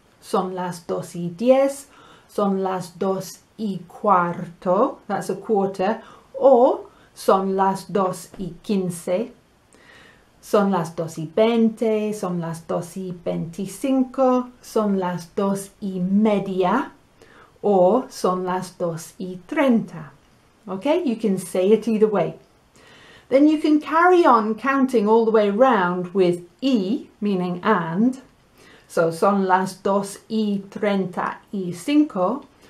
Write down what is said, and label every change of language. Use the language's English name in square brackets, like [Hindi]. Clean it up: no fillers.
[Spanish] Son las dos y diez, son las dos y cuarto, [English] that's a quarter, [Spanish] or son las dos y quince, son las dos y veinte, son las dos y veinticinco, son las dos y media, or son las dos y treinta. [English] Okay, you can say it either way. Then you can carry on counting all the way around with y, meaning and. So son las dos y treinta y cinco.